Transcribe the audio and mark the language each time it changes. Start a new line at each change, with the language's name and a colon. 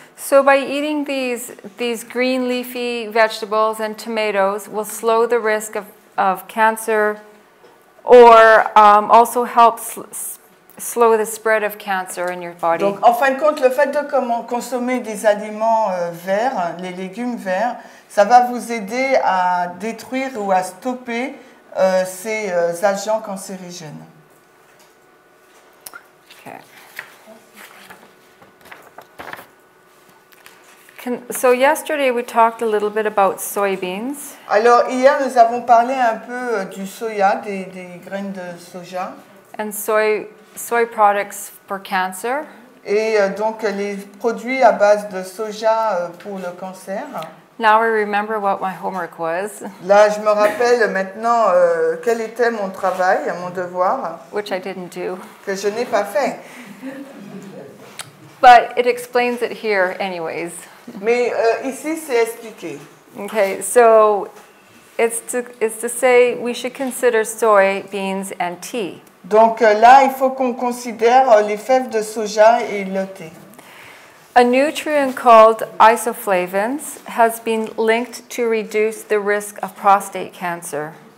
English: So by eating these green leafy vegetables and tomatoes will slow the risk of cancer or also help slow the spread of cancer in your body.
French: Donc en fin de compte, le fait de consommer des aliments verts, les légumes verts, ça va vous aider à détruire ou à stopper ces agents cancérigènes.
English: So yesterday we talked a little bit about soybeans.
French: Alors hier nous avons parlé un peu du soya, des graines de soja.
English: And soy products for cancer.
French: Et donc les produits à base de soja pour le cancer.
English: Now I remember what my homework was.
French: Là je me rappelle maintenant quel était mon travail, mon devoir.
English: Which I didn't do.
French: Que je n'ai pas fait.
English: But it explains it here anyways.
French: Mais ici c'est expliqué.
English: Okay, so it's to say we should consider soy beans and tea.
French: Donc là, il faut qu'on considère les fèves de soja et le thé.
English: A nutrient called isoflavones has been linked to reduce the risk of prostate cancer.